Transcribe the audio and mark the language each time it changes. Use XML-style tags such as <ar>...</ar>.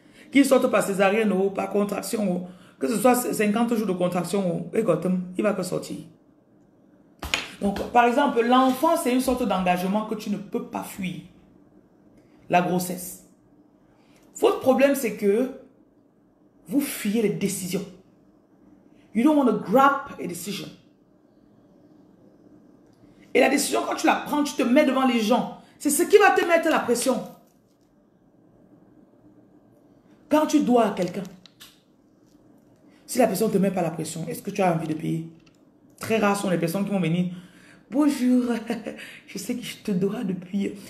<fr>Qu'il sorte par césarienne ou par contraction, ou que ce soit 50 jours de contraction, ou égotum, il va que sortir. Donc, par exemple, l'enfant, c'est une sorte d'engagement que tu ne peux pas fuir. La grossesse. Votre problème, c'est que vous fuyez les décisions.</fr> <en>You don't want to grab a decision.</en> <fr>Et la décision, quand tu la prends, tu te mets devant les gens. C'est ce qui va te mettre la pression. Quand tu dois à quelqu'un, si la personne ne te met pas la pression, est-ce que tu as envie de payer? Très rares sont les personnes qui vont venir. Bonjour, je sais que je te dois depuis...</fr>